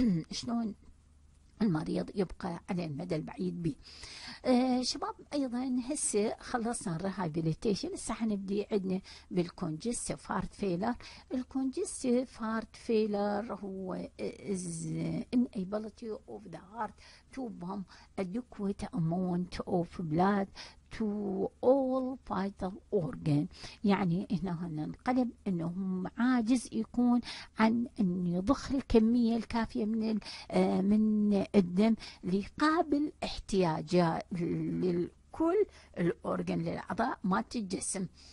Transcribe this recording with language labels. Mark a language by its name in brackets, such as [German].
[Arabic] شلون المريض يبقى على المدى البعيد به شباب ايضا هسه خلصنا الريهابيليتيشن هسه حنبدي عندنا بالكونجستيف هارت فيلر الكونجستيف هارت فيلر هو [English] Inability of the heart to pump adequate amount of blood to all vital organs. [Arabic] يعني هنا هننقلب انه عاجز يكون عن ان يضخ الكميه الكافيه من الدم لقابل احتياجه لكل الاورجن للاعضاء ما تجسم.